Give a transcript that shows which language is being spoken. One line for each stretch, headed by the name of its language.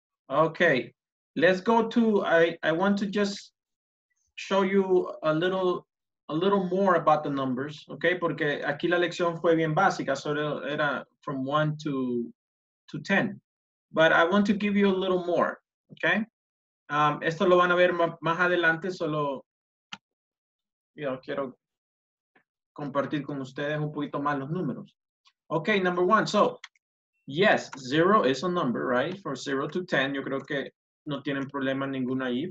English: Okay, let's go to, I want to just show you a little more about the numbers, okay?
Spanish: Porque aquí la lección fue bien básica, solo era
English: from 1 to 10. But I want to give you a little more, okay?
Spanish: Esto lo van a ver más adelante, solo. Yo quiero compartir con ustedes un poquito más los números.
English: Okay, number one. So, yes, zero is a number, right? For 0 to 10,
Spanish: yo creo que no tienen problema ninguno ahí.